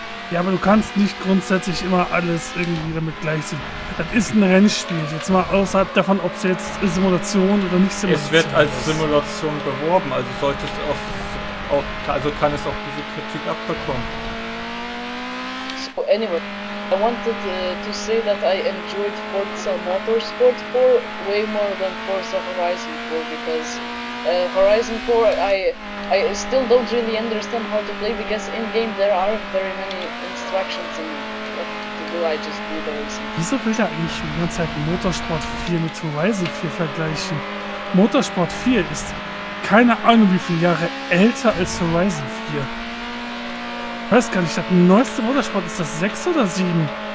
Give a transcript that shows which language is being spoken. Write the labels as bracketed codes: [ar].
[de] Ja, aber du kannst nicht grundsätzlich immer alles irgendwie damit gleichziehen. Das ist ein Rennspiel. Jetzt mal außerhalb davon, ob es jetzt Simulation oder nicht Simulation ist. Es wird als Simulation beworben. Also sollte es also kann es auch diese Kritik abbekommen. [en] So, anyway. I wanted to say that I enjoyed Forza Motorsport 4 way more than Forza Horizon 4 because Horizon 4 I still don't really understand how to play because in game there aren't very many instructions in what to do, I just do those. [de] Wieso will der eigentlich die ganze Zeit Motorsport 4 mit Horizon 4 vergleichen? Motorsport 4 ist keine Ahnung wie viele Jahre älter als Horizon 4. Ich weiß gar nicht, das neueste Motorsport ist das 6 oder 7?